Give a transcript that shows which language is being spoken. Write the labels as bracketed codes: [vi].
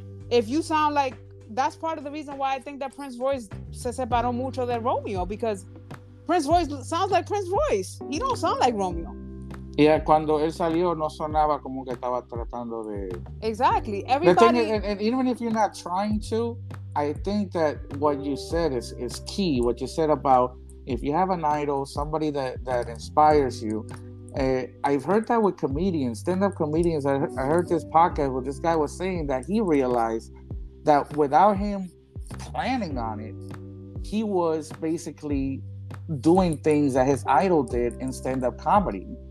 [en] If you sound like, that's part of the reason why I think that Prince Royce se separó mucho de Romeo, because Prince Royce sounds like Prince Royce. He don't sound like Romeo. [es] Yeah, cuando él salió, no sonaba como que estaba tratando de... [en] Exactly. Everybody... And even if you're not trying to, I think that what you said is key. What you said about if you have an idol, somebody that inspires you. I've heard that with comedians, stand-up comedians. I heard this podcast where this guy was saying that he realized that without him planning on it, he was basically doing things that his idol did in stand-up comedy.